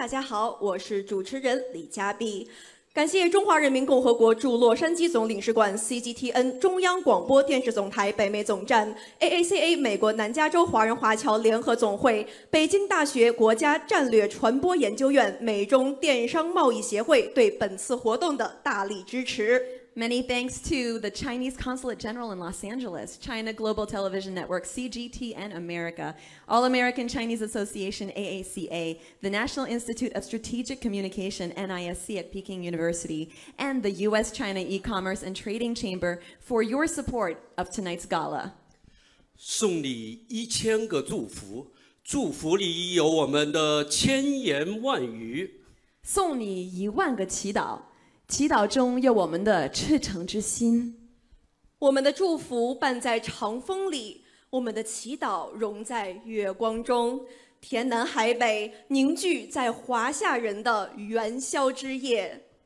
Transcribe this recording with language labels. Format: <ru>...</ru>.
<zh>大家好，我是主持人李佳碧。感谢中华人民共和国驻洛杉矶总领事馆 CGTN 中央广播电视总台北美总站 AACA 美国南加州华人华侨联合总会北京大学国家战略传播研究院美中电商贸易协会对本次活动的大力支持。</zh> <en>Many thanks to the Chinese Consulate General in Los Angeles, China Global Television Network, CGTN America, All American Chinese Association, AACA, the National Institute of Strategic Communication, NISC at Peking University, and the U.S.-China E-Commerce and Trading Chamber for your support of tonight's gala.</en> <zh>送你一千个祝福，祝福里有我们的千言万语。送你一万个祈祷，祈祷中有我们的赤诚之心。我们的祝福伴在长风里，我们的祈祷融在月光中，天南海北凝聚在华夏人的元宵之夜。</zh>